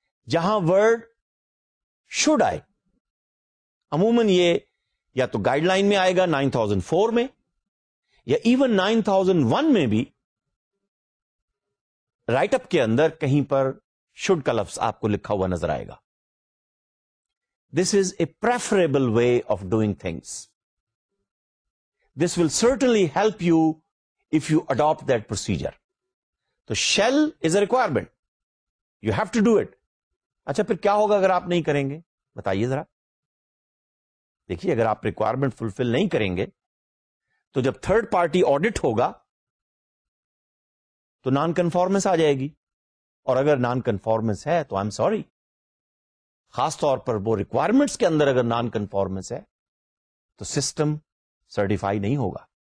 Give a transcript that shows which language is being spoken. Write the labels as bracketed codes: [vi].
[ur] جہاں word should آئے عموماً یہ یا تو گائیڈ لائن میں آئے گا 9004 میں یا ایون 9001 میں بھی رائٹ اپ کے اندر کہیں پر شوڈ کا لفظ آپ کو لکھا ہوا نظر آئے گا. [en] This is a preferable way of doing things. This will certainly help you if you adopt that procedure. So shall is a requirement. You have to do it. [ur] اچھا پھر کیا ہوگا اگر آپ نہیں کریں گے, بتائیے ذرا. دیکھیے اگر آپ ریکوائرمنٹ فلفل نہیں کریں گے تو جب تھرڈ پارٹی آڈٹ ہوگا تو نان کنفارمنس آ جائے گی, اور اگر نان کنفارمنس ہے تو [en] I am sorry, [ur] خاص طور پر وہ ریکوائرمنٹس کے اندر اگر نان کنفارمنس ہے تو سسٹم سرٹیفائی نہیں ہوگا.